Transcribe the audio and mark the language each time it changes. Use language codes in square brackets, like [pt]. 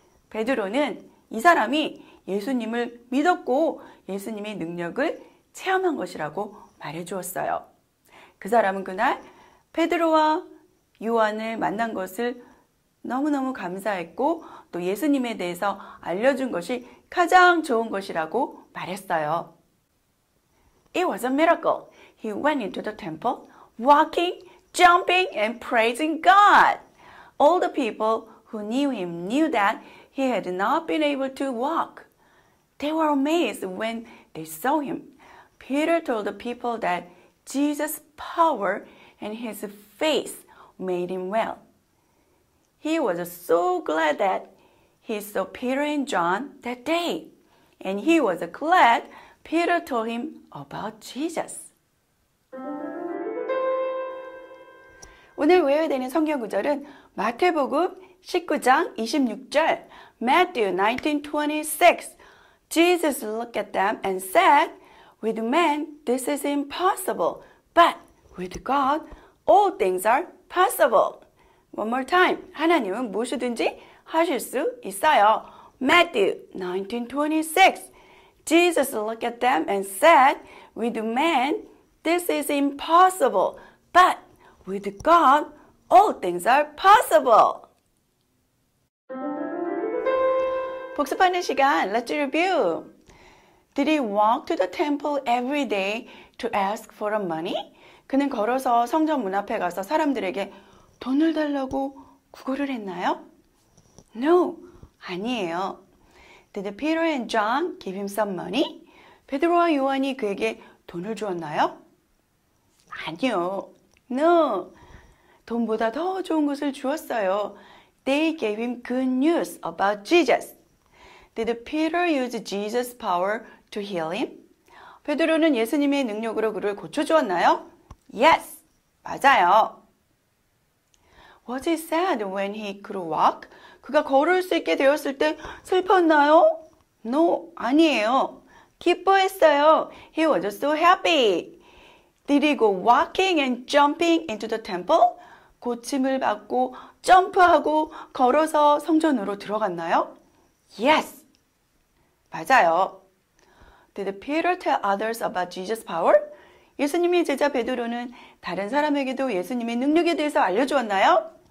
[ko] 베드로는 이 사람이 예수님을 믿었고 예수님의 능력을 체험한 것이라고 말해주었어요. 그 사람은 그날 베드로와 요한을 만난 것을 너무너무 감사했고 또 예수님에 대해서 알려준 것이 가장 좋은 것이라고 말했어요. [en] It was a miracle. He went into the temple, walking, jumping, and praising God. All the people who knew him knew that he had not been able to walk. They were amazed when they saw him. Peter told the people that Jesus' power and his faith made him well. He was so glad that he saw Peter and John that day. And he was glad Peter told him about Jesus. [ko] 오늘 외워야 되는 성경 구절은 마태복음 19장 26절, Matthew 19:26. [en] Jesus looked at them and said, "With men this is impossible, but with God all things are possible." One more time. [ko] 하나님은 무엇이든지 하실 수 있어요. [en] Matthew 19:26. Jesus looked at them and said, "With men this is impossible, but with God all things are possible." [ko] 복습하는 시간, [en] let's review. Did he walk to the temple every day to ask for money? [ko] 그는 걸어서 성전 문 앞에 가서 사람들에게 돈을 달라고 구걸을 했나요? [en] No, [ko] 아니에요. [en] Did Peter and John give him some money? [ko] 베드로와 요한이 그에게 돈을 주었나요? 아니요. [en] No, [ko] 돈보다 더 좋은 것을 주었어요. [en] They gave him good news about Jesus. Did Peter use Jesus' power to heal him? [ko] 베드로는 예수님의 능력으로 그를 고쳐주었나요? [en] Yes, [ko] 맞아요. [en] Was he sad when he could walk? [ko] 그가 걸을 수 있게 되었을 때 슬펐나요? [en] No, [ko] 아니에요. 기뻐했어요. [en] He was so happy. Did he go walking and jumping into the temple? [ko] 고침을 받고 점프하고 걸어서 성전으로 들어갔나요? [en] Yes, [ko] 맞아요. [en] Did Peter tell others about Jesus' power? [ko] 예수님의 제자 베드로는 다른 사람에게도 예수님의 능력에 대해서 알려주었나요?